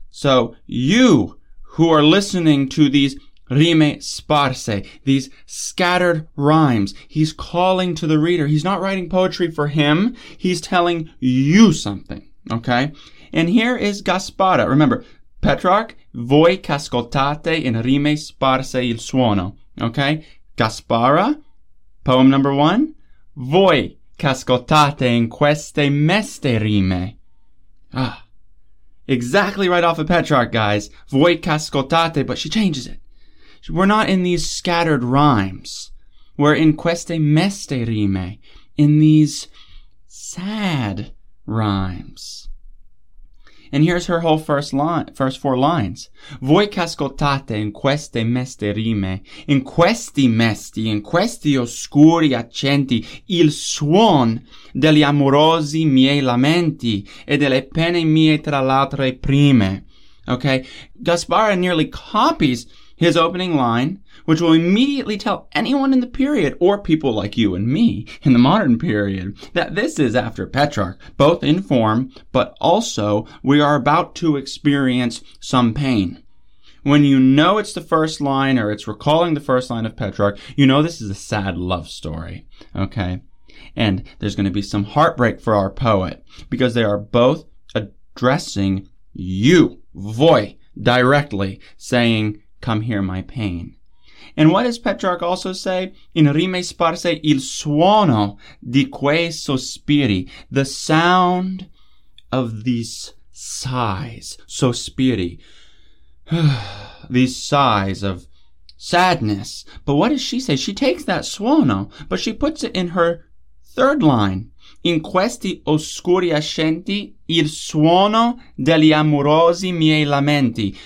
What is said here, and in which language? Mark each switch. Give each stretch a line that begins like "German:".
English: So you who are listening to these
Italian: rime sparse,
English: these scattered rhymes, he's calling to the reader. He's not writing poetry for him. He's telling you something, okay? And here is Gaspara. Remember,
Italian: Petrarch, voi che ascoltate in rime sparse il suono.
English: Okay? Gaspara, poem number one.
Italian: Voi che ascoltate in queste meste rime. Ah.
English: Exactly right off of Petrarch, guys.
Italian: Voi che ascoltate,
English: but she changes it. We're not in these scattered rhymes. We're in
Italian: queste meste rime.
English: In these sad rhymes. And here's her whole first four lines.
Italian: Voi che ascoltate in queste meste rime, in questi mesti, in questi oscuri accenti, il suon degli amorosi miei lamenti e delle pene mie tra l'altre prime.
English: Okay? Gaspara nearly copies his opening line, which will immediately tell anyone in the period, or people like you and me, in the modern period, that this is after Petrarch, both in form, but also, we are about to experience some pain. When you know it's the first line, or it's recalling the first line of Petrarch, you know this is a sad love story, okay? And there's going to be some heartbreak for our poet, because they are both addressing you, voi, directly, saying, come hear my pain. And what does Petrarch also say?
Italian: In rime sparse il suono di quei sospiri,
English: the sound of these sighs, sospiri, these sighs of sadness. But what does she say? She takes that suono, but she puts it in her third line.
Italian: In questi oscuri accenti, il suono degli amorosi miei lamenti.